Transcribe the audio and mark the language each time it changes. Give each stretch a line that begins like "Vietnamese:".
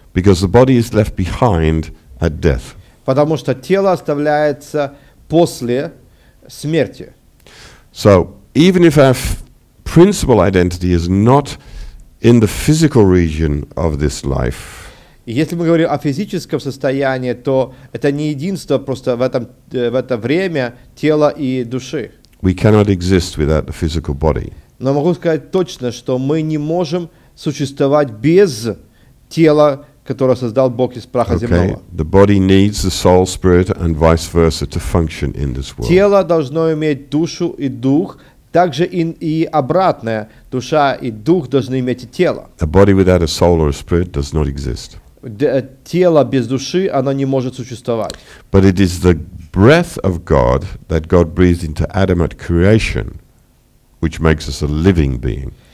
English: Because the body is left behind at death.
Russian: Потому что тело оставляется после смерти.
English: So, even if our principal identity is not in the physical region of this life.
Russian: Если мы говорим о физическом состоянии, то это не единство просто в это время тела и души.
English: We cannot exist without the physical body.
Russian: Но могу сказать точно, что мы не можем существовать без тела, которое создал Бог из праха земного.
English: The body needs the soul, spirit, and vice versa to function in this world.
Russian: Тело должно иметь душу и дух, также и обратное. Душа и дух должны иметь и тело.
English: A body without a soul or a spirit does not exist.
Russian: Тело без души, оно не может существовать.
English: But it is the breath of God that God breathed into Adam at creation. Which makes us a living being.